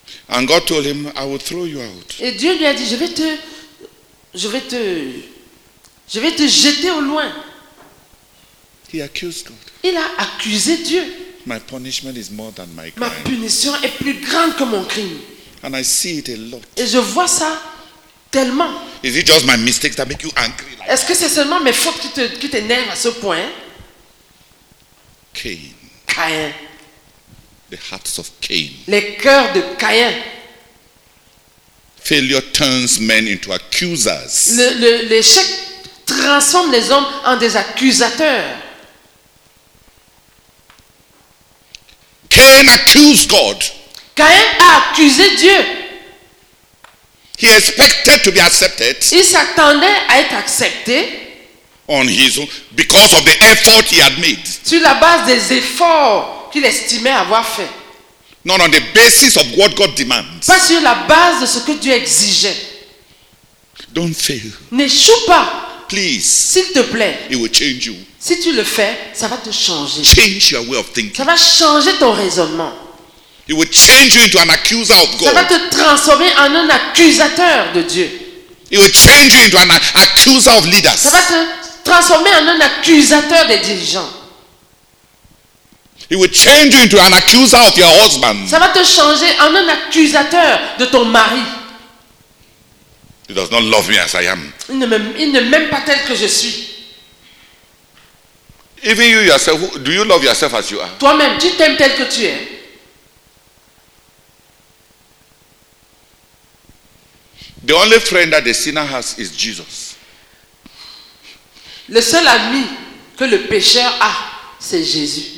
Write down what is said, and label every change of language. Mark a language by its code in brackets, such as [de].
[en] And God told him, I will throw you out. [fr] Et Dieu lui a dit, je vais te jeter au loin. [en] He accused God. [fr] Il a accusé Dieu. [en] My punishment is more than my crime. [fr] Ma punition est plus grande que mon crime. [en] And I see it a lot. [fr] Et je vois ça tellement. [en] Is it just my mistakes that make you angry? [fr] Est-ce que c'est seulement mes fautes qui t'énervent à ce point? [en] Cain. [fr] Caïn. [en] the hearts of Cain. [fr] Les cœurs de Caïn. [en] Failure turns men into accusers. [fr] L'échec transforme les hommes en des accusateurs. [en] Cain accused God. [fr] Caïn a accusé Dieu. [en] He expected to be accepted. [fr] Il s'attendait à être accepté. [en] On his own, because of the effort he had made. [fr] Sur la base des efforts qu'il estimait avoir fait. [en] Not on the basis of what God demands. [fr] Pas sur la base de ce que Dieu exigeait. [en] Don't fail. [fr] N'échoue pas. [en] Please. [fr] S'il te plaît. [en] It will change you. [fr] Si tu le fais, ça va te changer. [en] Change your way of thinking. [fr] Ça va changer ton raisonnement. [en] It will change you into an accuser of God. [fr] Ça va te transformer en un accusateur de Dieu. [en] It will change you into an accuser of leaders. [fr] Ça va te transformer en un accusateur des dirigeants. [en] It will change you into an accuser of your husband. [fr] Ça va te changer en un accusateur de ton mari. [en] He does not love me as I am. [fr] Il ne m'aime pas tel que je suis. [en] Even you yourself, do you love yourself as you are? [fr] Toi-même, tu t'aimes tel que tu es. [en] The only friend that the sinner has is Jesus. [fr] Le seul ami que le pécheur a, c'est Jésus.